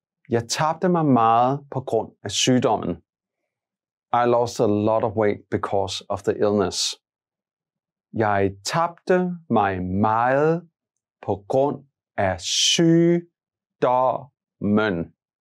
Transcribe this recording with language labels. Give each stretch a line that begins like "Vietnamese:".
Danish: Jeg tabte mig meget på grund af sygdommen.
English: I lost a lot of weight because of the illness.
Danish: Jeg tabte mig meget på grund af sygdommen.